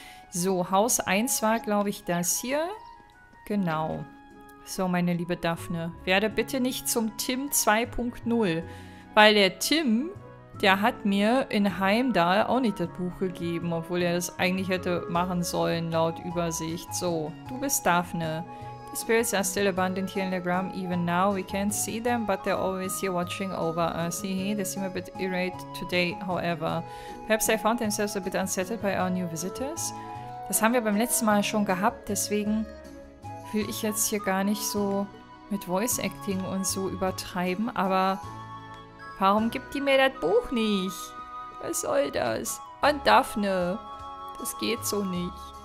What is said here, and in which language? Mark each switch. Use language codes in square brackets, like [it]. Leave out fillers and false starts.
[de] So, Haus 1 war, glaube ich, das hier. Genau. So, meine liebe Daphne, werde bitte nicht zum Tim 2.0. Weil der Tim, der hat mir in Heimdall auch nicht das Buch gegeben, obwohl er das eigentlich hätte machen sollen, laut Übersicht. So, du bist Daphne. [en] The spirits are still abundant here in the ground, even now. We can't see them, but they're always here watching over us. They seem a bit irate today, however. Perhaps they found themselves a bit unsettled by our new visitors. [de] Das haben wir beim letzten Mal schon gehabt, deswegen will ich jetzt hier gar nicht so mit Voice Acting und so übertreiben, aber warum gibt die mir das Buch nicht? Was soll das? Und Daphne, das geht so nicht.